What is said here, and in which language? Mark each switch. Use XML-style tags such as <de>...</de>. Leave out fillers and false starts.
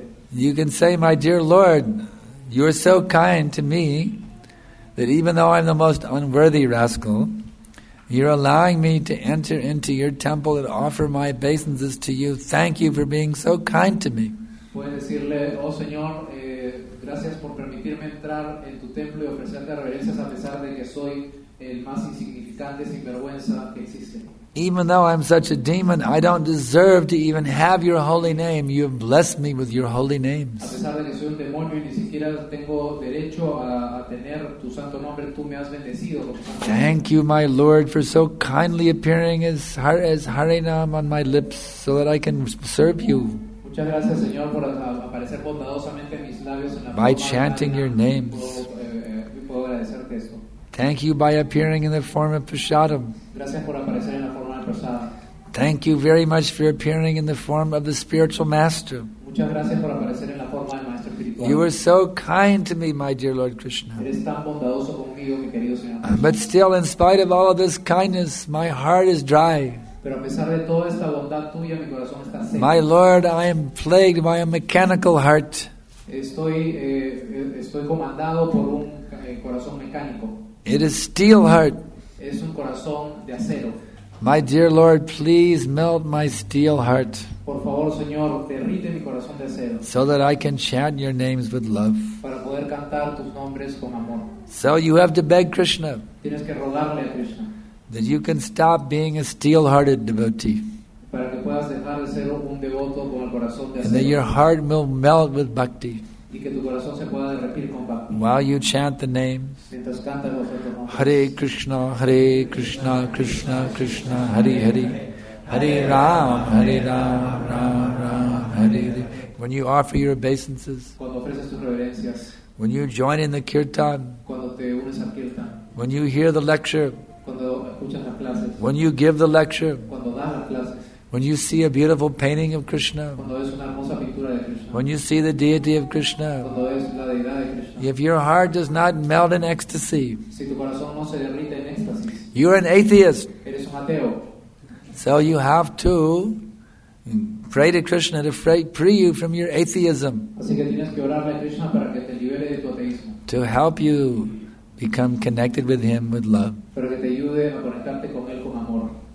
<en>You can say, my dear Lord, you are so kind to me that even though I'm the most unworthy rascal, you're allowing me to enter into your temple and offer my obeisances to you. Thank you for being so kind to me.</en> <es>Puedes decirle, oh Señor, gracias por permitirme entrar en tu templo y ofrecerte reverencias a pesar de que soy el más insignificante sinvergüenza que existe.</es> <en>Even though I'm such a demon, I don't deserve to even have your holy name. You have blessed me with your holy names.</en> <es>A pesar de que soy un demonio y ni siquiera tengo derecho a tener tu santo nombre, tú me has bendecido.</es> <en>Thank you, my Lord, for so kindly appearing as Harinam on my lips so that I can serve you.</en> <es>Muchas gracias, Señor, por aparecer bondadosamente en mis labios en la</es> <en>by chanting your names.</en> <es>Puedo agradecerte eso.</es> <en>Thank you by appearing in the form of Prashadam.</en> <es>Gracias por aparecer en la forma de Prashadam.</es> <en>Thank you very much for appearing in the form of the spiritual master.</en> <es>Muchas gracias por aparecer en la forma del maestro espiritual.</es> <en>You are so kind to me, my dear Lord Krishna.</en> <es>Eres tan bondadoso conmigo, mi querido Señor.</es> <en>But still, in spite of all of this kindness, my heart is dry.</en> <es>Pero a pesar de toda esta bondad tuya, mi corazón está seco.</es> <en>My Lord, I am plagued by a mechanical heart.</en> <es>Estoy comandado por un corazón mecánico.</es> <en>It is steel heart.</en> <es>Es un corazón de acero.</es> <en>My dear Lord, please melt my steel heart.</en> <es>Por favor, Señor, derrite mi corazón de acero.</es> <en>So that I can chant your names with love.</en> <es>Para poder cantar tus nombres con amor.</es> <en>So you have to beg Krishna.</en> <es>Tienes que rogarle a Krishna.</es> <en>That you can stop being a steel-hearted devotee.</en> <es>Para que puedas dejar de ser un devoto con el corazón de acero.</es> <en>And that your heart will melt with bhakti.</en> <es>Y que tu corazón se pueda derretir con bhakti.</es> <en>While you chant the names.</en> <es>Mientras canta los otros nombres.</es> <sa>Hare Krishna, Krishna, Krishna, Hari Hari. Hare Ram, Hare Ram, Ram, Ram, Hare Hari.</sa> <en>When you offer your obeisances.</en> <es>Cuando ofreces tus reverencias.</es> <en>When you join in the kirtan.</en> <es>Cuando te unes al kirtan.</es> <en>When you hear the lecture.</en> <es>Cuando escuchas las clases.</es> <en>When you give the lecture.</en> <es>Cuando das las clases.</es> <en>When you see a beautiful painting of Krishna,</en> <es>cuando ves una hermosa pintura de Krishna,</es> <en>when you see the deity of Krishna,</en> <es>cuando ves la deidad de Krishna,</es> <en>if your heart does not melt in ecstasy,</en> <es>si tu corazón no se derrite en éxtasis,</es> <en>you're an atheist.</en> <es>Eres un ateo.</es> <en>So you have to pray to Krishna to free you from your atheism.</en> <es>Así que tienes que orarle a Krishna para que te libere de tu ateísmo.</es> <en>To help you become connected with him with love.</en> <es>Para que te ayude a conectarte con él con amor.</es>